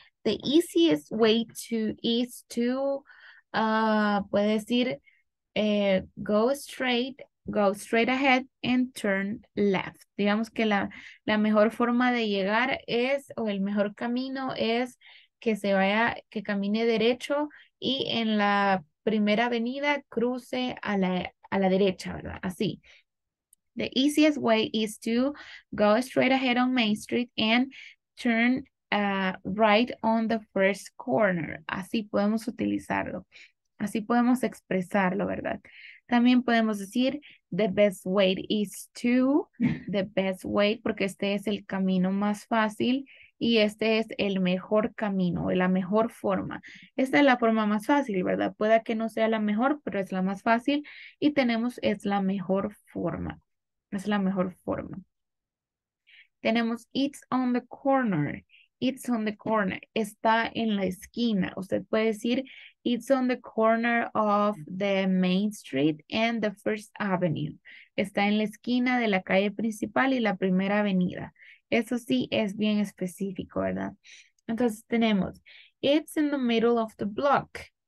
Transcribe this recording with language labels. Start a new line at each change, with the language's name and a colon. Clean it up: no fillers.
English: The easiest way to is to,
Spanish: puede decir,
English: go straight ahead and turn left.
Spanish: Digamos que la mejor forma de llegar es, o el mejor camino es que se vaya, que camine derecho y en la primera avenida cruce a la derecha, ¿verdad? Así.
English: The easiest way is to go straight ahead on Main Street and turn right on the first corner.
Spanish: Así podemos utilizarlo. Así podemos expresarlo, ¿verdad? También podemos decir
English: the best way is to, the best way,
Spanish: porque este es el camino más fácil y este es el mejor camino, la mejor forma. Esta es la forma más fácil, ¿verdad? Puede que no sea la mejor, pero es la más fácil y tenemos es la mejor forma. Es la mejor forma. Tenemos
English: it's on the corner. It's on the corner.
Spanish: Está en la esquina. Usted puede decir
English: it's on the corner of the Main Street and the First Avenue.
Spanish: Está en la esquina de la calle principal y la primera avenida. Eso sí es bien específico, ¿verdad? Entonces tenemos
English: it's in the middle of the block.